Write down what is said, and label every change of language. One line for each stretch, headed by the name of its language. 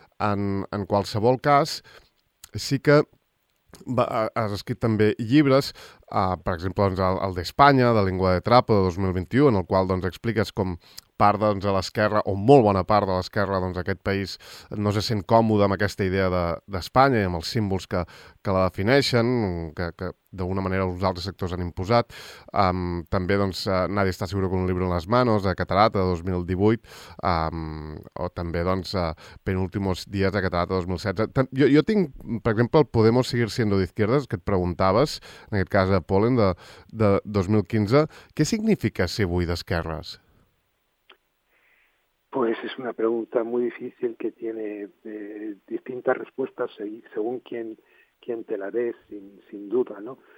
Catalan: En qualsevol cas, sí que has escrit també llibres, per exemple, doncs, el d'Espanya, de Lengua de Trapo, de 2021, en el qual doncs, expliques com part doncs, a l'esquerra, o molt bona part de l'esquerra doncs, d'aquest país, no se sent còmode amb aquesta idea d'Espanya i amb els símbols que la defineixen, que d'alguna manera els altres sectors han imposat. També doncs,
Spanish: Nadie está seguro con un libro en las manos,
Catalan: de Catarata, de 2018, o també doncs,
Spanish: Penúltimos días,
Catalan: de Catarata, de 2016. Jo tinc, per exemple, el
Spanish: Podemos seguir siendo de izquierdas,
Catalan: que et preguntaves, en aquest cas a Polen, de 2015. Què significa ser avui d'esquerres?
Spanish: Pues es una pregunta muy difícil que tiene distintas respuestas según quién te la dé, sin duda, ¿no?